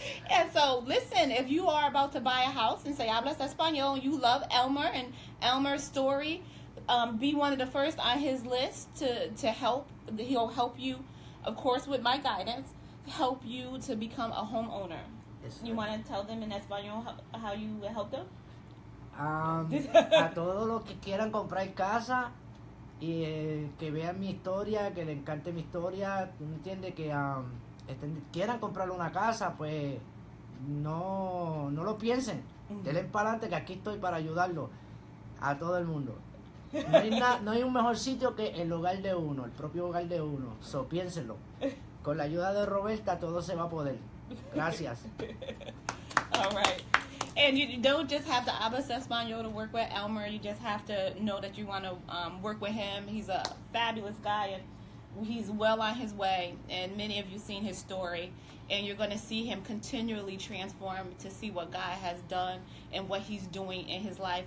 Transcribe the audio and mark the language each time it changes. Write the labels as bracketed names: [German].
[English] And so listen, if you are about to buy a house and say [Spanish] hablas español, [English] you love Elmer and Elmer's story, be one of the first on his list to help. He'll help you, of course, with my guidance, help you to become a homeowner. Yes, sir. You want to tell them in español how you will help them? [Spanish] a todos los que quieran comprar casa. Y que vean mi historia, que le encante mi historia, ¿tú me entiendes? Que quieran comprar una casa, pues no lo piensen. Denle para adelante que aquí estoy para ayudarlo a todo el mundo. No hay un mejor sitio que el hogar de uno, el propio hogar de uno. So, piénsenlo. Con la ayuda de Roberta todo se va a poder. Gracias. [English] All right. And you don't just have to [Spanish] hablas español [English] to work with Elmer. You just have to know that you want to work with him. He's a fabulous guy, and he's well on his way. And many of you have seen his story. And you're going to see him continually transform to see what God has done and what he's doing in his life.